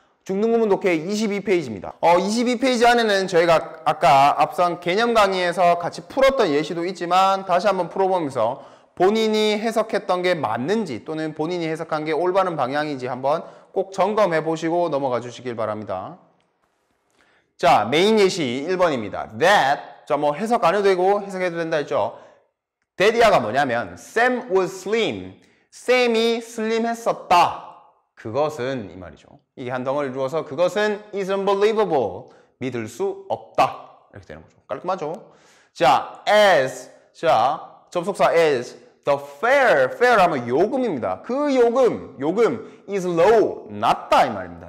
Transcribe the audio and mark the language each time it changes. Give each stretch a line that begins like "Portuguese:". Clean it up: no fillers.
Korean: 중등구문 독해 22페이지입니다. 22페이지 안에는 저희가 아까 앞선 개념 강의에서 같이 풀었던 예시도 있지만 다시 한번 풀어보면서 본인이 해석했던 게 맞는지 또는 본인이 해석한 게 올바른 방향인지 한번 꼭 점검해 보시고 넘어가 주시길 바랍니다. 자, 메인 예시 1번입니다. That, 자, 뭐 해석 안 해도 되고 해석해도 된다 했죠. That이야가 뭐냐면
English: Sam was slim.
Korean: Sam이 슬림했었다. 그것은 이 말이죠. 이게 한 덩어리를 주어서 그것은
English: is unbelievable.
Korean: 믿을 수 없다. 이렇게 되는 거죠. 깔끔하죠? 자, as, 자, 접속사 as, the fare, fare 하면 요금입니다. 그 요금
English: is low,
Korean: 낮다 이 말입니다.